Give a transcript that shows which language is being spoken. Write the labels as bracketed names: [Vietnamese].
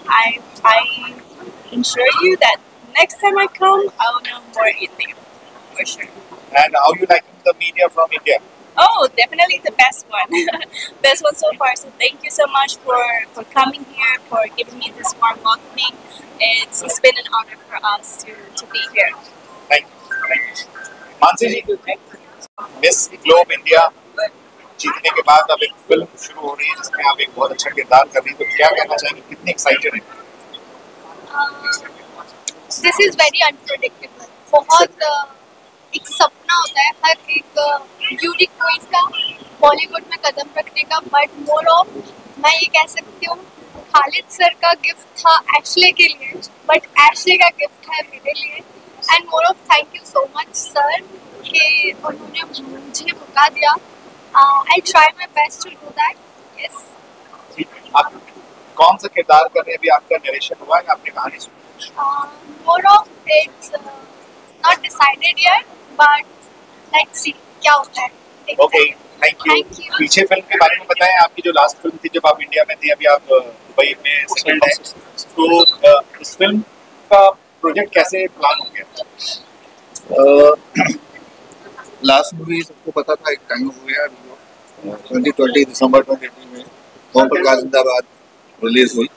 [English] I ensure you that next time I come, I'll know more Hindi, for sure. And how are you liking the media from India? Oh, definitely the best one. Best one so far. So thank you so much for coming here, for giving me this warm welcoming. It's been an honor for us to be here. Thank you. [Hindi] Mansi ji, Miss Globe India, जीतने के बाद अब एक film शुरू हो रही है जिसमें आप एक बहुत अच्छा किरदार कर रही हैं, तो क्या कहना चाहेंगे, कितने एक्साइटेड हैं? [English] This is very unpredictable. [Hindi] बहुत एक सपना होता है हर एक ब्यूटी क्वीन का बॉलीवुड में कदम रखने का, [English] but moreover [Hindi] मैं ये कह सकती हूँ खालिद सर का गिफ्ट था एशले के लिए, बट एशले का गिफ्ट है मेरे लिए. [English] and moreover thank you so much sir [Hindi] कि उन्होंने मुझे मौका दिया. [English] I try my best to do that. Yes, [Hindi] कौन सा किरदार करने अभी आपका नरेशन हुआ है, आपने कहानी सुनी? [English] moreover it's not decided yet, but let's see [Hindi] kya hota hai. [English] Okay, thank you. Thank you. [Hindi] पीछे फिल्म के बारे में बताएं, आपकी जो लास्ट फिल्म थी जब आप इंडिया में थी, अभी आप दुबई में सेटल हैं, तो इस फिल्म का प्रोजेक्ट कैसे प्लान हो गया? लास्ट मूवी सबको पता था, एक टाइम हो गया 2020 दिसंबर 2020 में ओम प्रकाश जिंदाबाद रिलीज हुई.